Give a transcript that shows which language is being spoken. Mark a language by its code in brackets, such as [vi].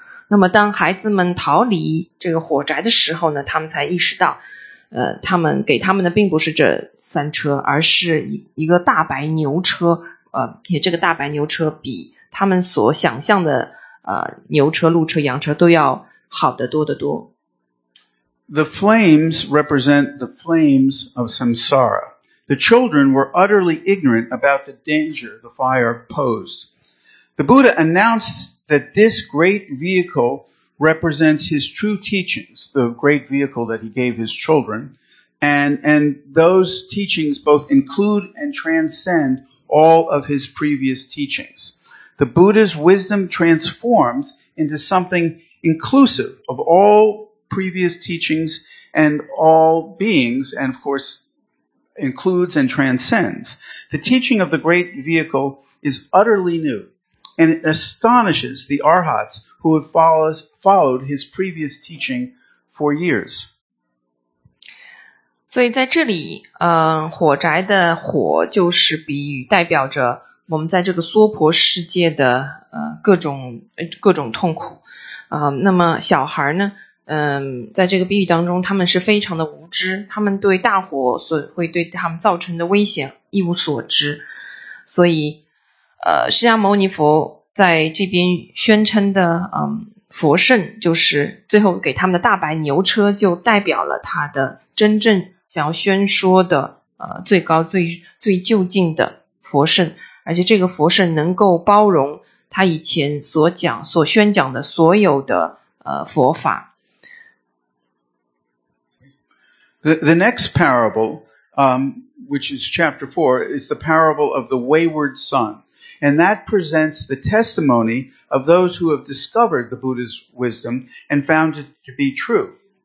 [zh] 那么当孩子们逃离这个火宅的时候呢，他们才意识到他们给他们的并不是这三车，而是一个大白牛车，且这个大白牛车比他们所想象的牛车、鹿车、羊车都要好得多得多。 [en] The flames represent the flames of samsara. The children were utterly ignorant about the danger the fire posed. The Buddha announced that this great vehicle represents his true teachings, the great vehicle that he gave his children, and those teachings both include and transcend all of his previous teachings. The Buddha's wisdom transforms into something inclusive of all previous teachings and all beings, and of course includes and transcends. The teaching of the great vehicle is utterly new, and it astonishes the arhats who have followed his previous teaching for years. [zh] 所以在这里火宅的火就是比喻代表着我们在这个娑婆世界的各种痛苦。那么小孩呢，在这个比喻当中，他们是非常的无知，他们对大火所会对他们造成的危险一无所知。所以释迦牟尼佛在这边宣称的佛圣，就是最后给他们的大白牛车，就代表了他的真正想要宣说的最高最究竟的佛圣，而且这个佛圣能够包容他以前所宣讲的所有的佛法。 [en] The next parable, which is chapter 4, is the parable of the wayward son. And that presents the testimony of those who have discovered the Buddha's wisdom and found it to be true.